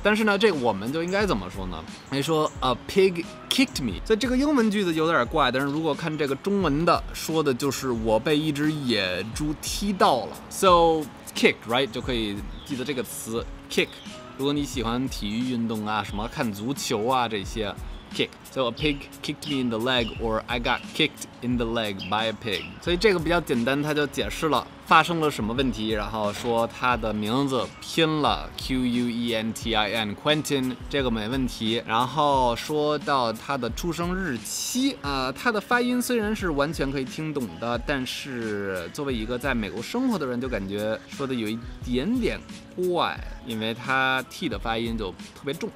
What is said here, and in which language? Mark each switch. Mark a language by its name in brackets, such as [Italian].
[Chinese] 但是呢，这个我们就应该怎么说呢？你说 [English] a pig kicked me， [Chinese] 所以这个英文句子有点怪。但是如果看这个中文的，说的就是我被一只野猪踢到了。 [English] So kicked, right? [Chinese] 就可以记得这个词 kick。如果你喜欢体育运动啊，什么看足球啊这些 ，kick。 [English] So a pig kicked me in the leg, or I got kicked in the leg by a pig。 [Chinese] 所以这个比较简单，它就解释了。发生了什么问题？然后说他的名字拼了 Q U E N T I N Quentin， 这个没问题。然后说到他的出生日期，他的发音虽然是完全可以听懂的，但是作为一个在美国生活的人，就感觉说的有一点点怪，因为他 T 的发音就特别重。